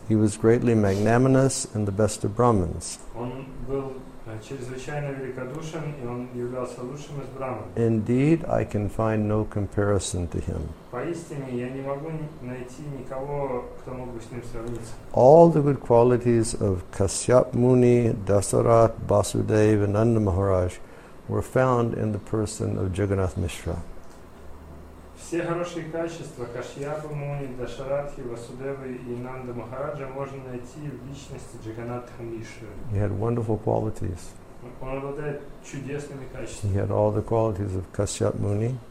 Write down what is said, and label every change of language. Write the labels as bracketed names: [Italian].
[English] He was greatly magnanimous and the best of Brahmins. [Russian] Он был чрезвычайно великодушен, и он являлся лучшим из Брахман. [English] Indeed, I can find no comparison to him. [Russian] Поистине, я не могу найти никого, кто мог бы с ним сравниться. [English] All the good qualities of Kasyap Muni, Dasarath, Vasudeva, and Nanda Maharaj were found in the person of Jagannath Mishra. [Russian] Все хорошие качества Кашьяпа Муни, Дашарадхи, Васудевы и Нанда Махараджа можно найти в личности Джаганнатха Мишры. [English] He had wonderful qualities. [Russian] Он обладает чудесными качествами. [English] He had all the qualities of Кашьяп Муни.